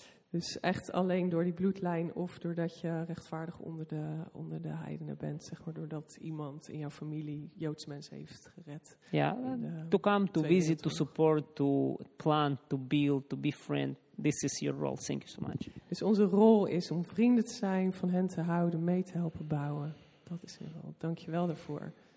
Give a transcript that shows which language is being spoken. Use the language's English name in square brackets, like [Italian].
[Dutch] Dus echt alleen door die bloedlijn of doordat je rechtvaardig onder de heidenen bent, zeg maar, doordat iemand in jouw familie Joods mensen heeft gered. Ja, yeah. [English] To come, to visit, to support, to plant, to build, to be friend. This is your role. Thank you so much. [Dutch] Dus onze rol is om vrienden te zijn, van hen te houden, mee te helpen bouwen. Dat is hun rol. Dank je wel daarvoor.